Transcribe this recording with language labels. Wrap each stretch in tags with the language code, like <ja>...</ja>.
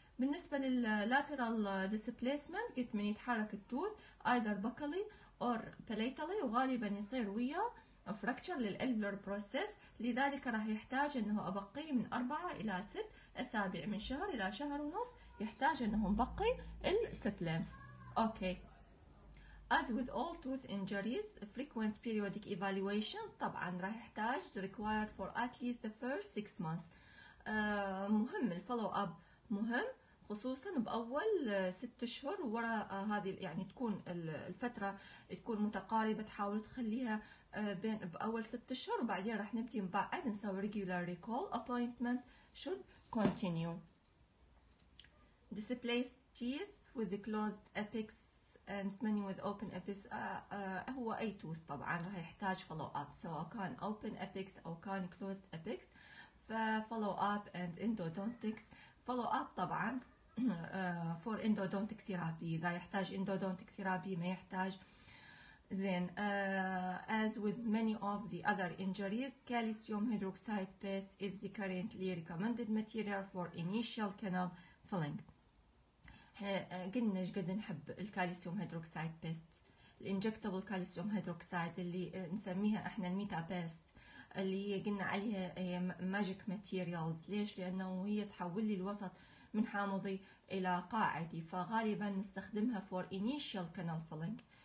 <ar>بالنسبة لل lateral displacement قلت من يتحرك التوث</ar> <en>either buccally or palatally،</en> <ar>وغالبا يصير ويا فراكتشر للالفيولر بروسيس، لذلك راح يحتاج انه ابقي من 4 الى 6 اسابيع، من شهر الى شهر ونص يحتاج انه نبقي السبلنتس.</ar> <en>okay, as with all tooth injuries frequent periodic evaluation</en> <ar>طبعا راح يحتاج</ar> <en>required for at least the first 6 months.</en> <ar>مهم الفولو اب، مهم خصوصا باول 6 اشهر ورا هذه، يعني تكون الفتره تكون متقاربه، تحاول تخليها بين باول 6 اشهر، وبعدين راح نبدي بعد نسوي</ar> <en>regular recall appointment should continue. displaced teeth with the closed apex and many with open apex، هو اي tooth</en> <ar>طبعا راح يحتاج</ar> <en>follow up،</en> <ar>سواء كان</ar> <en>open apex او كان closed apex، ف follow up and endodontics. follow up طبعا for endodontic therapy،</en> <ar>إذا يحتاج</ar> <en>endodontic therapy</en> <ar>ما يحتاج.</ar> <en>زين، as with many of the other injuries calcium hydroxide paste is the currently recommended material for initial canal filling.</en> <ar>قلنا ايش قد نحب الكالسيوم هيدروكسيد بيست، الانجكتابل كالسيوم هيدروكسيد اللي نسميها احنا الميتا بيست، اللي هي قلنا عليها هي ماجيك ماتيريالز. ليش؟ لانه هي تحول لي الوسط من حامضي الى قاعدي، فغالبا نستخدمها</ar> <en>For initial canal filling.</en>